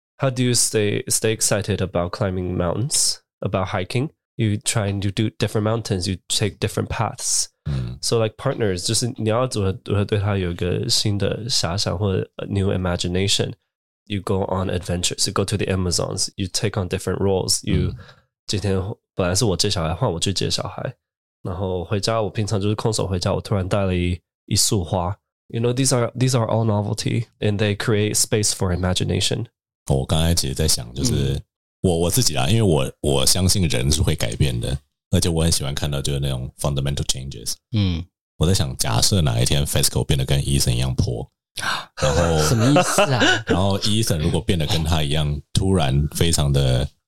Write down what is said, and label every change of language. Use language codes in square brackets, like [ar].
[en] How do you stay excited about climbing mountains? About hiking? You try and you do different mountains, you take different paths. So like partners, [zh] 就是你要对他有一个新的遐想或者 [en] new imagination. You go on adventures, you go to the Amazons, you take on different roles. [zh] You 今天本来是我接小孩，换我去接小孩。然后回家，我平常就是空手回家，我突然带了一束花。 [en] You know, these are all novelty, and they create space for imagination. [zh] 我刚才其实在想就是我自己啦，因为我相信人是会改变的，而且我很喜欢看到就是那种 [en] fundamental changes。 [zh] 嗯，我在想，假设哪一天 FESCO 变得跟 Eason 一样破，然后什么意思啊？然后 Eason 如果变得跟他一样，突然非常的